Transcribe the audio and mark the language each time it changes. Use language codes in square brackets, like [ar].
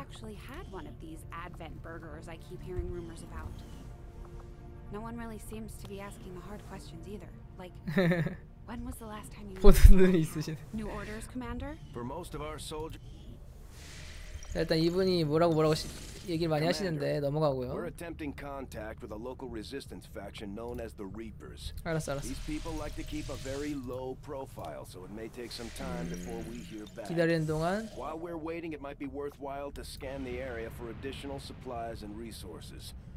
[en] Actually had one of these advent burgers I keep hearing rumors about. No one really seems to be asking the hard questions either. Like when was the last time you New orders, commander? For most of our soldiers. [ko] 일단 이분이 뭐라고 얘기를 많이 하시는데 넘어가고요. [en] We're attempting contact with a local resistance faction known as the Reapers. [ko] 알았어. [en] These people like to keep a very low profile, so it may take some time before we hear back. [ko] 기다리는 동안 [en] While we're waiting, it might be worthwhile to scan the area for additional supplies and resources.